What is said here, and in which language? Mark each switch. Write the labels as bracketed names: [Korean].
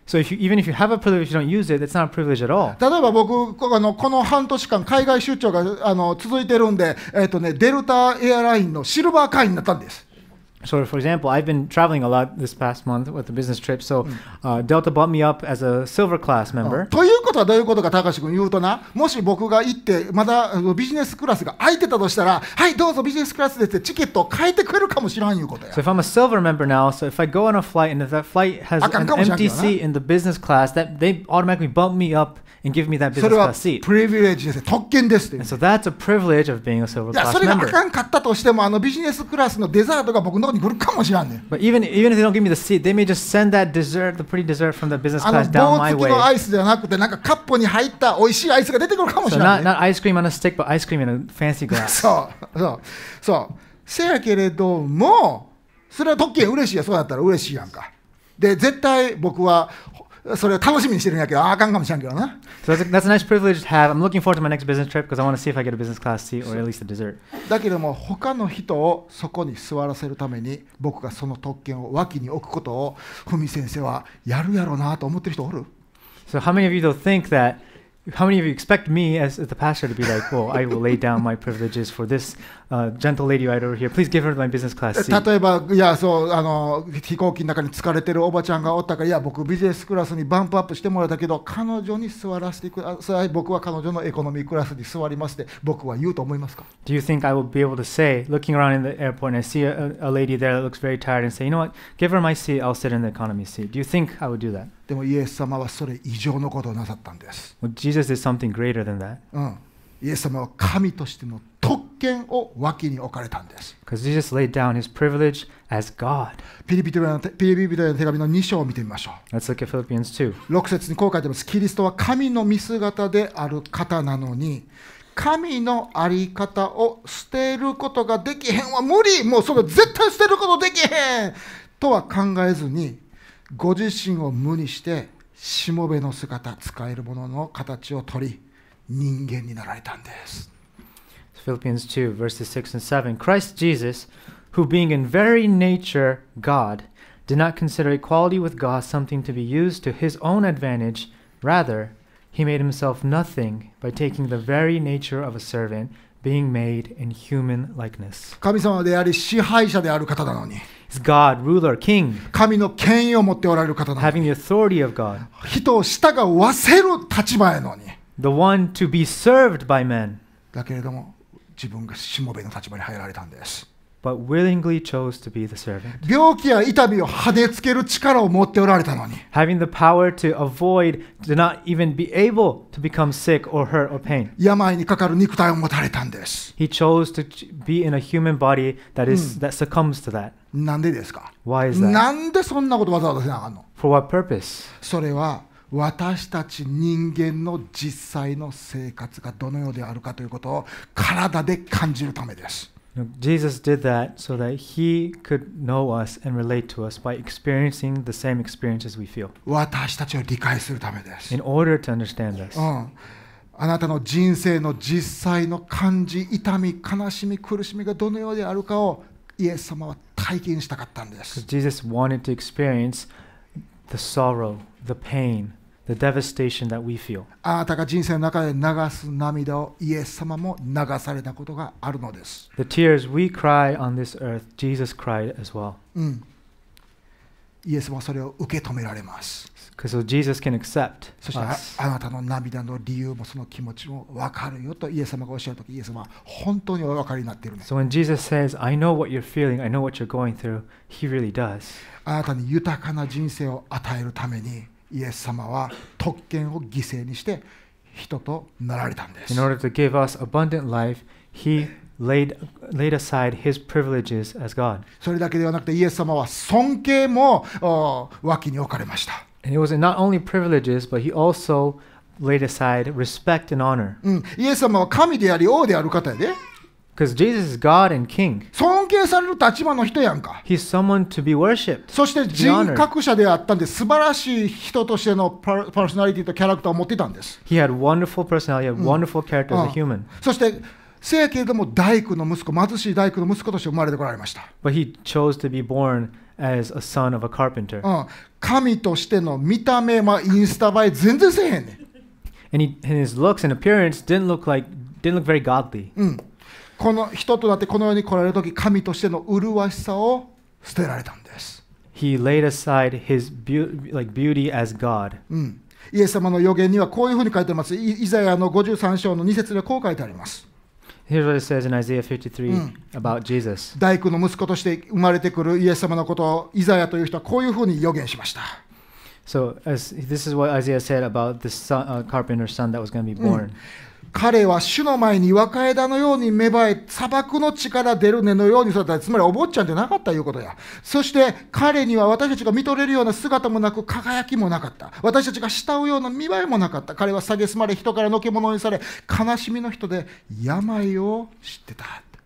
[English] So if you, even if you have a privilege, you don't use it, it's not a privilege at all. [Japanese] 例えば僕、この半年間海外出張が続いてるんで、デルタエアラインのシルバー会員になったんです。 [English] So for example, I've been traveling a lot this past month with a business trip, so Delta bought me up as a silver class member. [Japanese] ということはどういうことか、高橋君言うとな、もし僕が行って、まだビジネスクラスが空いてたとしたら、はい、どうぞビジネスクラスですってチケットを変えてくれるかもしれんいうことや。 [English] So if I'm a silver member now, so if I go on a flight and if that flight has an empty seat in the business class, that they automatically bump me up and give me that business class seat. [Japanese] それはプリビレージです。特権ですって。 [English] And so that's a privilege of being a silver class member. [Japanese] いや、それがあかんかったとしても、ビジネスクラスのデザートが僕のに来るかもしれない。 [English] But even if they don't give me the seat, they may just send that dessert, the pretty dessert from the business class down my way. [Japanese] 棒付きのアイスじゃなくて、なんかカップに入った美味しいアイスが出てくるかもしれない。 [English] So not ice cream on a stick, but ice cream in a fancy glass. [Japanese] そう、そう、そう。せやけれども、それは特権嬉しいや、そうだったら嬉しいやんか。で、絶対僕はそれを楽しみにしてるんやけど、あかんかもしれんけどな。 [English] So that's a nice privilege to have. I'm looking forward to my next business trip because I want to see if I get a business class seat or at least a dessert. [Japanese] だけども他の人をそこに座らせるために僕がその特権を脇に置くことをふみ先生はやるやろうなと思ってる人おる？ [English] So how many of you think that? How many of you expect me as the pastor to be like, well, I will lay down my privileges for this gentle lady right over here. Please give her my business class seat. [Japanese] 例えば、いや、そう、あの、飛行機の中に疲れてるおばちゃんがおったから、いや、僕ビジネスクラスにバンプアップしてもらったけど、彼女に座らせてください。僕は彼女のエコノミークラスに座りまして、僕は言うと思いますか？ [English] Do you think I will be able to say, looking around in the airport and I see a lady there that looks very tired and say, you know what, give her my seat, I'll sit in the economy seat. Do you think I would do that? [Japanese] でもイエス様はそれ以上のことをなさったんです。 [English] Well, Jesus did something greater than that. [Japanese] うん、イエス様は神としての特権を脇に置かれたんです。 [English] Because Jesus laid down his privilege as God. [Japanese] ピリピ人への手紙の2章を見てみましょう。 [English] Let's look at Philippians 2. [Japanese] 6節にこう書いてます。キリストは神の見姿である方なのに、神のあり方を捨てることができへんは無理。もうそれ絶対捨てることできへんとは考えずに、ご自身を無にしてしもべの姿、使えるものの形を取り人間になられたんです。 [English] Philippians 2 verses 6 and 7. Christ Jesus, who being in very nature God, did not consider equality with God something to be used to his own advantage. Rather, he made himself nothing by taking the very nature of a servant, being made in human likeness. [Japanese] 神様であり支配者である方なのに、 [English] It's God, ruler, king. [Japanese] 神の権威を持っておられる方なのに、 [English] Having the authority of God. [Japanese] 人を従わせる立場やのに、 [English] The one to be served by men. [Japanese] だけれども自分がしもべの立場に入られたんです。 [English] But willingly chose to be the servant. [Japanese] 病気や痛みをはねつける力を持っておられたのに、 [English] Having the power to avoid, to not even be able to become sick or hurt or pain. [Japanese] 病にかかる肉体を持たれたんです。 [English] He chose to be in a human body that is, that succumbs to that. [Japanese] なんでですか？ [English] Why is that? [Japanese] なんでそんなことわざわざせなあかんの？ [English] For what purpose? [Japanese] それは私たち人間の実際の生活がどのようであるかということを体で感じるためです。 [English] Jesus did that so that he could know us and relate to us by experiencing the same experiences we feel. [Japanese] 私たちを理解するためです。 [English] In order to understand us. [Japanese] あなたの人生の実際の感じ、痛み、悲しみ、苦しみがどのようであるかをイエス様は体験したかったんです。 [English] Jesus wanted to experience the sorrow, the pain, the devastation that we feel. [Japanese] あなたが人生の中で流す涙をイエス様も流されたことがあるのです。 [English] The tears we cry on this earth, Jesus cried as well. うん。 [Japanese] イエス様はそれを受け止められます。 [English] So Jesus can accept us. [Japanese] そしてあなたの涙の理由もその気持ちも分かるよとイエス様がおっしゃるとき、イエス様は本当にお分かりになっている、ね。 [English] So when Jesus says, I know what you're feeling, I know what you're going through, he really does. [Japanese] あなたに豊かな人生を与えるためにイエス様は特権を犠牲にして人となられたんです。 [English] In order to give us abundant life, he laid aside his privileges as God. [Japanese] それだけではなくてイエス様は尊敬も脇に置かれました。 [English] And it was not only privileges, but he also laid aside respect and honor. [Japanese] イエス様は神であり王である方やで。 [English] Because Jesus is God and King. [Japanese] 尊敬される立場の人やんか。 [English] He's someone to be worshipped. [Japanese] そして人格者であったんで、素晴らしい人としてのパーソナリティとキャラクターを持っていたんです。 [English] He had wonderful personality, he had wonderful character as a human. [Japanese] そして、せやけれども大工の息子、貧しい大工の息子として生まれてこられました。 [English] But he chose to be born as a son of a carpenter. [Japanese] 神としての見た目、まあ、インスタ映え全然せへんねん。 [English] And his looks and appearance didn't look very godly. [Japanese] この人となってこの世に来られるとき、神としての麗しさを捨てられたんです。 [English] He laid aside his beauty as God. [Japanese] イエス様の預言にはこういうふうに書いてます。イザヤの53章の2節にはこう書いてあります。 [English] Here's what it says in Isaiah 53 about Jesus. [Japanese] 大工の息子として生まれてくるイエス様のことをイザヤという人はこういうふうに預言しました。 [English] So, this is what Isaiah said about this son, carpenter's son that was going to be born. [Japanese] 彼は主の前に若枝のように芽生え、砂漠の地から出る根のように育った。つまりお坊ちゃんじゃなかったということや。そして彼には私たちが見とれるような姿もなく輝きもなかった。私たちが慕うような見栄えもなかった。彼は蔑まれ、人からのけ者にされ、悲しみの人で病を知ってた。